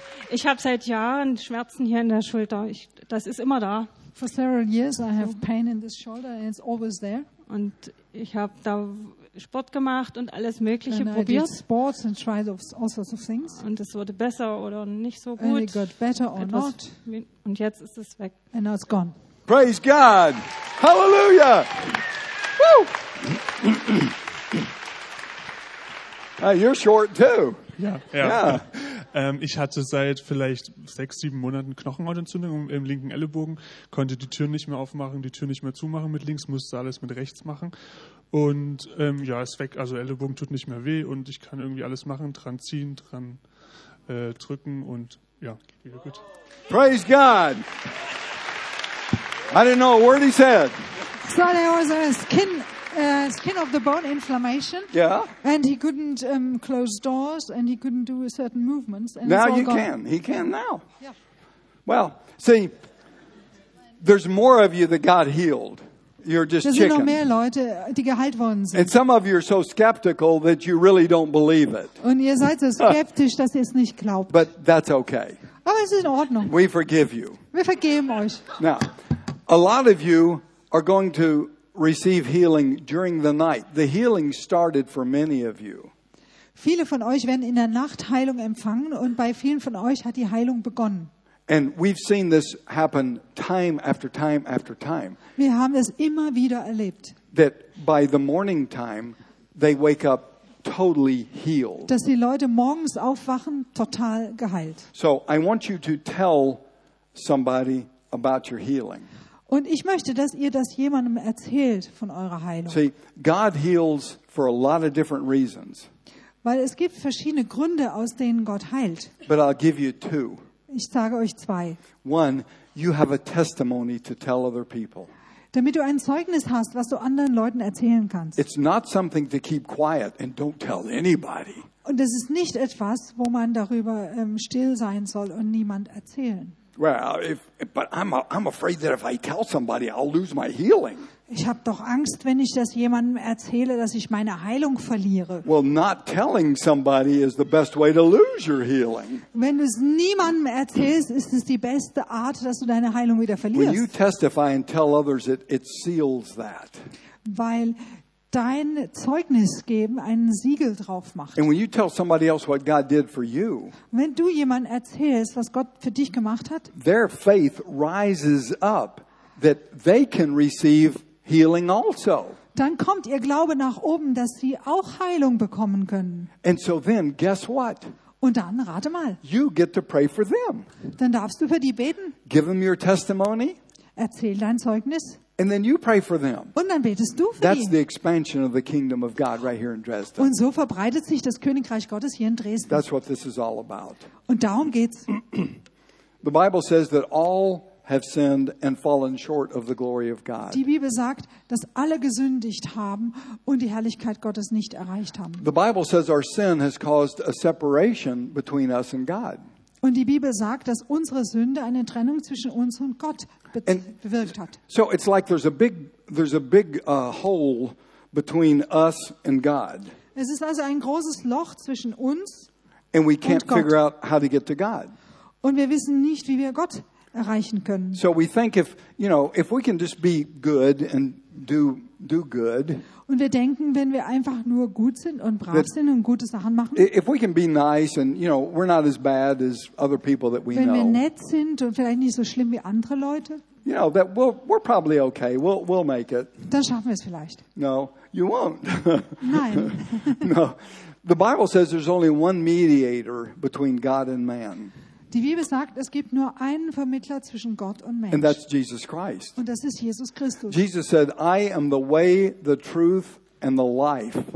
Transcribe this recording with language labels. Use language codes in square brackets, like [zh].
[de] Ich habe seit Jahren Schmerzen hier in der Schulter. Das ist immer da. [en] For several years I have pain in this shoulder and it's always there. [de] Und ich habe da Sport gemacht und alles Mögliche probiert. [en] I did sports and tried all sorts of things. [de] Und es wurde besser oder nicht so gut. [en] And it got better or not. [de] Und jetzt ist es weg. [en] And now it's gone. Praise God. Hallelujah. Woo. Hey, you're short too. [de] Ich hatte seit vielleicht 6, 7 Monaten Knochenhautentzündung im linken Ellenbogen, konnte die Tür nicht mehr aufmachen, die Tür nicht mehr zumachen mit links, musste alles mit rechts machen. Und ist weg, also Ellenbogen tut nicht mehr weh und ich kann irgendwie alles machen, dran ziehen, dran drücken und ja, geht wieder gut. [en] Praise God! I didn't know a word he said. So there was a skin of the bone inflammation. Yeah. And he couldn't close doors, and he couldn't do certain movements. And now you gone. Can. He can now. Yeah. Well, see, there's more of you that got healed. You're just chicken. [de] Sind noch mehr Leute, die geheilt worden sind. [en] And some of you are so skeptical that you really don't believe it. [de] Und ihr seid so skeptisch, dass ihr es nicht glaubt. [en] But that's okay. [de] Aber es ist in Ordnung. [en] We forgive you. [de] Wir vergeben euch. [en] Now, a lot of you are going to receive healing during the night. The healing started for many of you. [de] Viele von euch werden in der Nacht Heilung empfangen, und bei vielen von euch hat die Heilung begonnen. [en] And we've seen this happen time after time after time. [de] Wir haben es immer wieder erlebt. [en] That by the morning time, they wake up totally healed. [de] Dass die Leute morgens aufwachen, total geheilt. [en] So I want you to tell somebody about your healing. [de] Und ich möchte, dass ihr das jemandem erzählt von eurer Heilung. [en] See, God heals for a lot of different reasons. [de] Weil es gibt verschiedene Gründe, aus denen Gott heilt. [en] But I'll give you two. [de] Ich sage euch zwei. [en] One, you have a testimony to tell other people. [de] Damit du ein Zeugnis hast, was du anderen Leuten erzählen kannst. [en] It's not something to keep quiet and don't tell anybody. [de] Und es ist nicht etwas, wo man darüber still sein soll und niemand erzählen. [en] Well, but I'm afraid that if I tell somebody, I'll lose my healing. [de] Ich habe doch Angst, wenn ich das jemandem erzähle, dass ich meine Heilung verliere. [en] Well, not telling somebody is the best way to lose your healing. [de] Wenn du es niemandem erzählst, ist es die beste Art, dass du deine Heilung wieder verlierst. [en] When you testify and tell others, it seals that. [de] Weil dein Zeugnis geben einen Siegel drauf macht. [en] And when you tell somebody else what God did for you, [de] wenn du jemandem erzählst, was Gott für dich gemacht hat, [en] their faith rises up. That they can receive healing also. [de] Dann kommt ihr Glaube nach oben, dass sie auch Heilung bekommen können. [en] And so then, guess what? [de] Und dann rate mal. [en] You get to pray for them. [de] Dann darfst du für die beten. [en] Give them your testimony. [de] Erzähl dein Zeugnis. [en] And then you pray for them. [de] Und dann betest du für [en] That's [de] ihn. [en] The expansion of the kingdom of God right here in Dresden. [de] Und so verbreitet sich das Königreich Gottes hier in Dresden. [en] That's what this is all about. [de] Und darum geht's. [en] The Bible says that all have sinned and fallen short of the glory of God. [de] Die Bibel sagt, dass alle gesündigt haben und die Herrlichkeit Gottes nicht erreicht haben. [en] The Bible says our sin has caused a separation between us and God. [de] Und die Bibel sagt, dass unsere Sünde eine Trennung zwischen uns und Gott bewirkt hat. [en] So it's like there's a big hole between us and God. [de] Es ist also ein großes Loch zwischen uns und Gott. [en] And we can't figure out how to get to God. [de] Und wir wissen nicht, wie wir Gott erreichen können. [en] So we think if we can just be good and do good. [de] Und wir denken, wenn wir einfach nur gut sind und brav sind und gute Sachen machen. [en] If we can be nice and we're not as bad as other people that we [de] wenn [en] know. [de] Wenn wir nett sind und vielleicht nicht so schlimm wie andere Leute. [en] That we're probably okay. We'll make it. [de] Dann schaffen wir es vielleicht. [en] No, you won't. [de] Nein. [en] No. The Bible says there's only one mediator between God and man. [de] Die Bibel sagt, es gibt nur einen Vermittler zwischen Gott und Mensch. [en] And that's Jesus Christ. [de] Und das ist Jesus Christus. [en] Jesus said, I am the way, the truth and the life.